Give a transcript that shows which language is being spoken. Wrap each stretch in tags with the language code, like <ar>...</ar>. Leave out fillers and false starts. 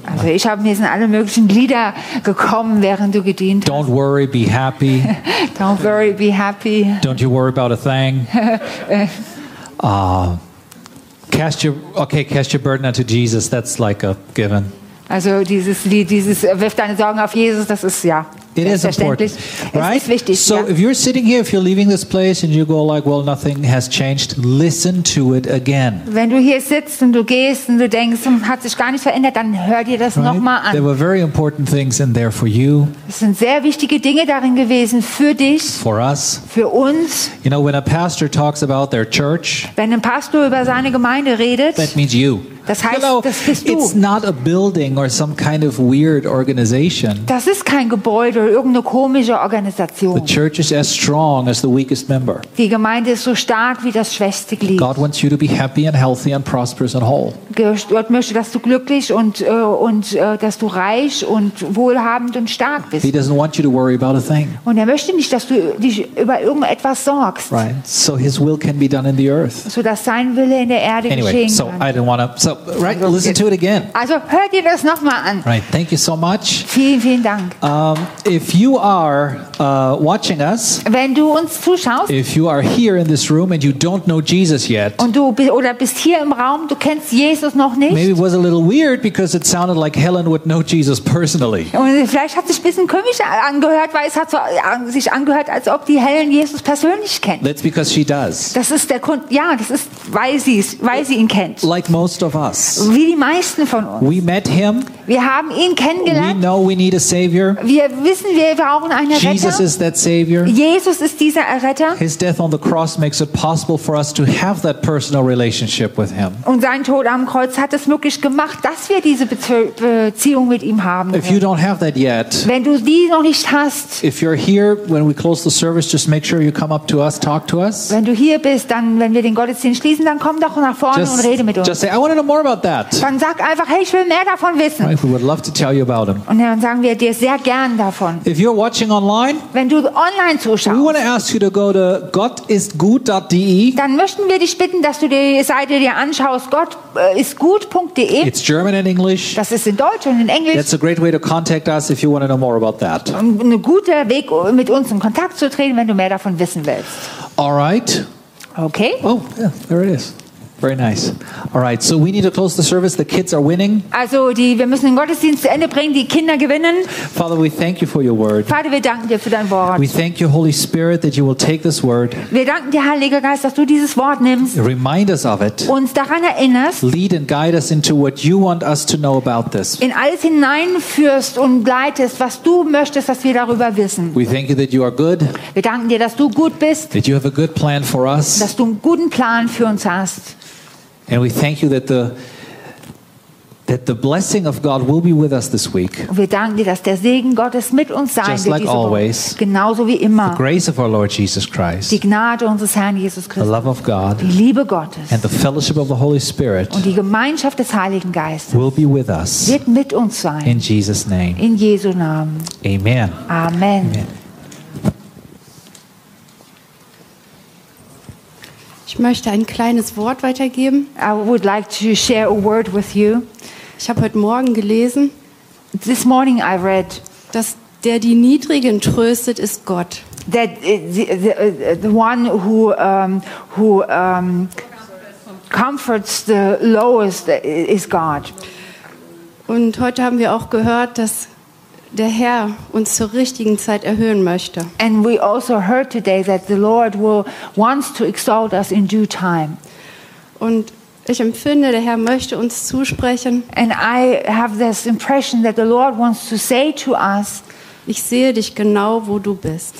<de>Also ich habe mir sind alle möglichen Lieder gekommen, während du gedient hast.</de> <en>Don't worry, be happy. Don't worry, be happy. Don't you worry about a thing. cast your burden unto Jesus. That's like a given.</en> <de>Also dieses wirf deine Sorgen auf Jesus. Das ist ja.</de> <en>It is important, right?</en> <de>Es ist wichtig,</de> <en>so</en> <de>ja.</de> <en>If you're sitting here, if you're leaving this place and you go like, well, nothing has changed, listen to it again.</en> <de>Wenn du hier sitzt und du gehst und du denkst, hat sich gar nicht verändert, dann hör dir das right? Nochmal an.</de> <en>There were very important things in there for you.</en> <de>Es sind sehr wichtige Dinge darin gewesen für dich.</de> <en>For us.</en> <de>Für uns.</de> <en>You know, when a pastor talks about their church,</en> <de>wenn ein Pastor über seine Gemeinde redet,</de> <en>that means you.</en> <de>Das heißt,</de> <en>you</en> <de>know, das bist du.</de> <en>It's not a building or some kind of weird organization.</en> <de>Das ist kein Gebäude oder irgendeine komische Organisation.</de> <en>The church is as strong as the weakest member.</en> <de>Die Gemeinde ist so stark wie das schwächste Glied.</de> <en>God wants you to be happy and healthy and prosperous and whole.</en> <de>Gott möchte, dass du glücklich und dass du reich und wohlhabend und stark bist.</de> <en>He doesn't want you to worry about a thing.</en> <de>Und er möchte nicht, dass du dich über irgendetwas sorgst.</de> <en>Right. So his will can be done in the earth.</en> <de>So dass sein Wille in der Erde geschehen kann.</de> <en>Anyway, so I didn't want to. So, right, listen to it again.</en> <de>Also, hör dir das nochmal an.</de> <en>Right, thank you so much.</en> <de>Vielen, vielen Dank.</de> <en>If you are watching us,</en> <de>wenn du uns zuschaust,</de> <en>if you are here in this room and you don't know Jesus yet,</en> <de>und du oder bist hier im Raum, du kennst Jesus noch nicht,</de> <en>maybe it was a little weird because it sounded like Helen would know Jesus personally.</en> <de>Und vielleicht hat es sich ein bisschen komisch angehört, weil es hat so sich angehört, als ob die Helen Jesus persönlich kennt.</de> <en>That's because she does.</en> <de>Das ist der Grund, ja, das ist, weil sie ihn kennt.</de> <en>Like most of us.</en> <de>Wie die meisten von uns.</de> <en>We met him.</en> <de>Wir haben ihn kennengelernt.</de> <en>We know we need a savior.</en> <de>Wir wissen, wir brauchen einen Retter.</de> <en>Jesus is that savior.</en> <de>Jesus ist dieser Erretter.</de> <en>His death on the cross makes it possible for us to have that personal relationship with him.</en> <de>Und sein Tod am Kreuz hat es möglich gemacht, dass wir diese Beziehung mit ihm haben.</de> <en>If you don't have that yet.</en> <de>Wenn du die noch nicht hast.</de> <en>If you're here when we close the service, just make sure you come up to us, talk to us.</en> <de>Wenn du hier bist, dann wenn wir den Gottesdienst schließen, dann komm doch nach vorne und rede mit uns.</de> <en>Just say, I want to know more about that.</en> <de>Dann sag einfach, hey, ich will mehr davon wissen.</de> <en>Right, we would love to tell you about him.</en> <de>Und dann sagen wir dir sehr gern davon.</de> <en>If you're watching online,</en> <de>wenn du online zuschaust,</de> <en>we want to ask you to go to gottistgut.de.</en> <de>Dann möchten wir dich bitten, dass du die Seite dir anschaust, gottistgut.de.</de> <en>It's German and English.</en> <de>Das ist in Deutsch und in Englisch.</de> <en>That's a great way to contact us if you want to know more about that.</en> <de>Ein guter Weg, mit uns in Kontakt zu treten, wenn du mehr davon wissen willst.</de> <en>All right. Okay. Oh, yeah, there it is. Very nice. All right, so we need to close the service. The kids are winning.</en> <de>Also, wir müssen den Gottesdienst zu Ende bringen. Die Kinder gewinnen.</de> <en>Father, we thank you for your word.</en> <de>Vater, wir danken dir für dein Wort.</de> <en>We thank you, Holy Spirit, that you will take this word.</en> <de>Wir danken dir, Heiliger Geist, dass du dieses Wort nimmst.</de> <en>Remind us of it.</en> <de>Uns daran erinnerst.</de> <en>Lead and guide us into what you want us to know about this.</en> <de>In alles hineinführst und leitest, was du möchtest, dass wir darüber wissen.</de> <en>We thank you that you are good.</en> <de>Wir danken dir, dass du gut bist.</de> <en>That you have a good plan for us.</en> <de>Dass du einen guten Plan für uns hast.</de> <en>And we thank you that that the blessing of God will be with us this week.</en> <de>Wir danken dir, dass der Segen Gottes mit uns sein</de> <en>wird. Just like always.</en> <de>Genauso wie immer.</de> <en>The grace of our Lord Jesus Christ.</en> <de>Die Gnade unseres Herrn Jesus Christus.</de> <en>The love of God.</en> <de>Die Liebe Gottes.</de> <en>And the fellowship of the Holy Spirit.</en> <de>Und die Gemeinschaft des Heiligen Geistes.</de> <en>Will be with us.</en> <de>Wird mit uns sein.</de> <en>In Jesus' name.</en> <de>In Jesu Namen.</de> <en>Amen. Amen. Amen.</en> <de>Ich möchte ein kleines Wort weitergeben.</de> <en>I would like to share a word with you.</en> <de>Ich habe heute Morgen gelesen.</de> <en>This morning I read,</en> <de>dass der die Niedrigen tröstet, ist Gott.</de> <en>That the one who comforts the lowest is God.</en> <de>Und heute haben wir auch gehört, dass der Herr uns zur richtigen Zeit erhöhen möchte.</de> <en>And we also heard today that the Lord will wants to exalt us in due time.</en> <de>Und ich empfinde, der Herr möchte uns zusprechen.</de> <en>And I have this impression that the Lord wants to say to us,</en> <de>ich sehe dich genau, wo du bist.</de>